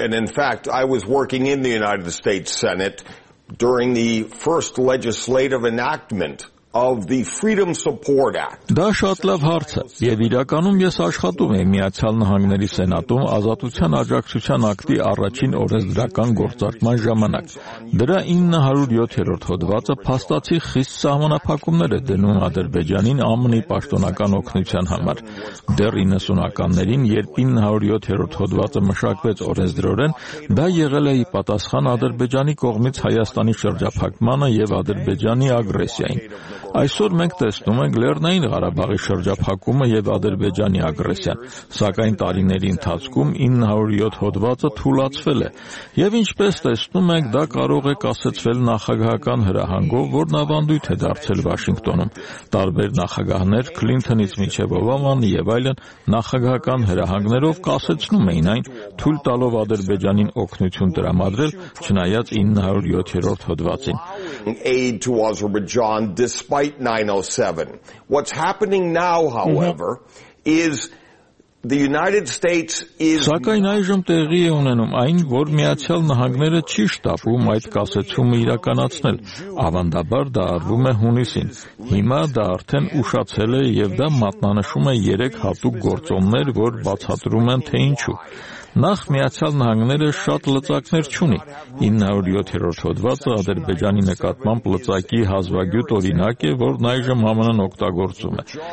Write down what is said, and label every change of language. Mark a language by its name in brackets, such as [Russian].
[English] And in fact, I was working in the United States Senate during the first legislative enactment of the Freedom Support Act. [Armenian] Դա շատ լավ հարց է, եւ իրականում ես աշխատում եմ Միացյալ Նահանգների Սենատում Ազատության Աջակցության ակտի առաջին օրենսդրական գործարկման ժամանակ։ Դրա 907-րդ հոդվածը փաստացի խիստ սահմանափակումներ է դնում Ադրբեջանին ԱՄՆ-ի պաշտոնական օգնության համար։ Դեռ 90-ականներին, երբ 907-րդ հոդվածը մշակվեց օրենսդրորեն, դա եղել է պատասխան Ադրբեջանի կողմից Հայաստանի շրջափակմանը եւ Ադրբեջանի ագրեսիային։ Այսօր մենք տեսնում ենք Լեռնային Ղարաբաղի շրջափակումը եւ Ադրբեջանի ագրեսիան, սակայն տարիների ընթացքում 907 հոդվածը թուլացվել է եւ ինչպես տեսնում ենք, դա կարող է կասեցվել նախագահական հրահանգով, որն ավանդույթ է դարձել Վաշինգտոնում։ Տարբեր նախագահներ, Քլինթոնից մինչեւ Օբաման եւ այլն, նախագահական հրահանգներով կասեցնում էին այն, թույլ տալով Ադրբեջանին օգնություն տրամադրել, չնայած 907-րդ հոդվածին։ [English] Despite 907. What's happening now, however, is the United States is [Armenian] Սակայն այժմ տեղի է ունենում այն, որ Միացյալ Նահանգները չի շտապում այդ կասեցումը իրականացնել։ Ավանդաբար դա արվում է հունիսին։ Հիմա դա արդեն ուշացել է եւ դա մատնանշում է 3 հատուկ գործոններ, որ բացատրում են թե ինչու։ Նախ Միացյալ Նահանգները շատ լծակներ չունի։ 907-րդ հոդվածը Ադրբեջանի նկատմամբ լծակի հազվագյուտ օրինակ է, որն այժմ ԱՄՆ-ն օգտագործում է։